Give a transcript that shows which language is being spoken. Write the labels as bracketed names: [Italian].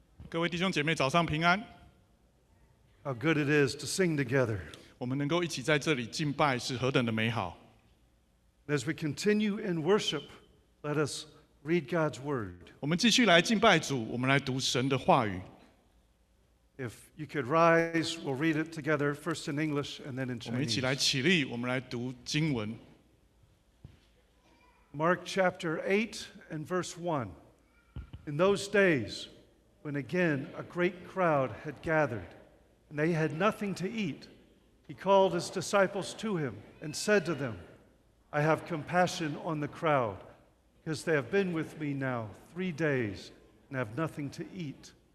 [Chinese] 各位弟兄姐妹早上平安。 [English] How good it is to sing together. [Chinese] 我们能够一起在这里敬拜是何等的美好。 [English] As we continue in worship, let us read God's word. [Chinese] 我们继续来敬拜主，我们来读神的话语。 [English] If you could rise, we'll read it together, first in English and then in Chinese. [Chinese] 我们一起来起立，我们来读经文。 [English] Mark chapter 8 and verse 1. In those days, when again a great crowd had gathered, and they had nothing to eat, he called his disciples to him and said to them, I have compassion on the crowd, because they have been with me now 3 days and have nothing to eat.